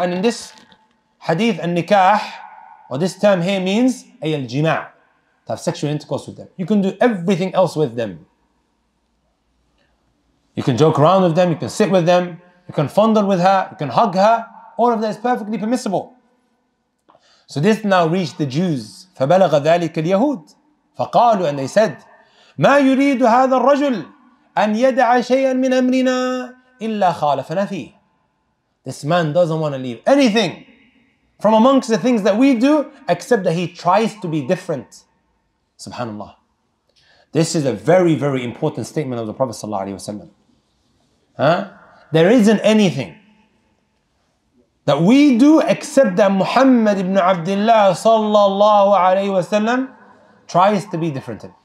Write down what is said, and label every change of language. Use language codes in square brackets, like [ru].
[en] And in this hadith, al-nikah, or this term here means al-jima', to have sexual intercourse with them. You can do everything else with them. You can joke around with them, you can sit with them, you can fondle with her, you can hug her. All of that is perfectly permissible. So this now reached the Jews. [ar] فَبَلَغَ ذَلِكَ الْيَهُودِ فَقَالُوا. [en] And they said, [ar] مَا يُرِيدُ هَذَا الرَّجُلُ أَنْ يَدَعَ شَيْئًا مِنْ أَمْرِنَا إِلَّا خَالَفَنَا فِيهِ. [en] This man doesn't want to leave anything from amongst the things that we do, except that he tries to be different. Subhanallah. This is a very, very important statement of the Prophet sallallahu alaihi wasallam. Huh? There isn't anything that we do except that Muhammad ibn Abdullah sallallahu alaihi wasallam tries to be different.